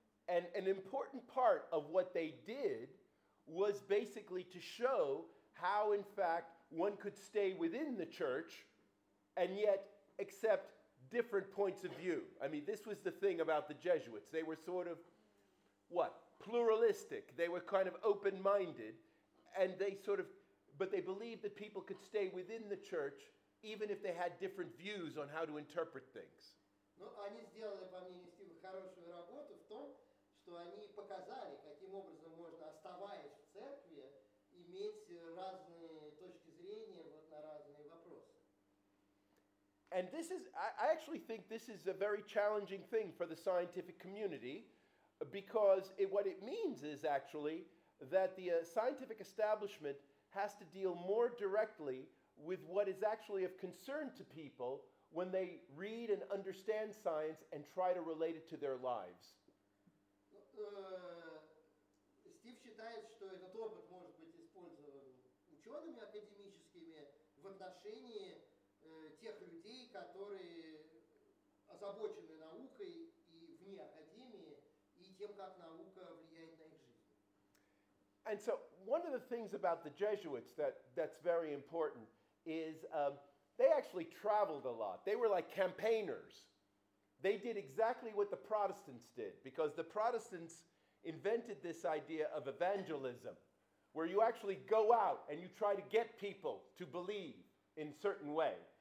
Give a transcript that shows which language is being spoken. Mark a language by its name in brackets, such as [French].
[English] And an important part of what they did was basically to show how, in fact, one could stay within the church and yet accept different points of view. I mean, this was the thing about the Jesuits. They were sort of, pluralistic. They were kind of open-minded, and they believed that people could stay within the church even if they had different views on how to interpret things. [Russian] Ну, они сделали, по мнению Стива, хорошую работу в том, что они показали, каким образом можно, оставаясь в церкви, иметь разные точки зрения на разные вопросы. [English] And this is, I actually think this is a very challenging thing for the scientific community, because what it means is actually that the scientific establishment has to deal more directly with what is actually of concern to people when they read and understand science and try to relate it to their lives. [Russian] Стив считает, что этот опыт может быть использован учеными академическими в отношении тех людей, которые озабочены наукой и вне академии, и тем, как наука влияет на их жизнь. [English] And so one of the things about the Jesuits that's very important is they actually traveled a lot. They were like campaigners. They did exactly what the Protestants did, because the Protestants invented this idea of evangelism, where you actually go out and you try to get people to believe in a certain way.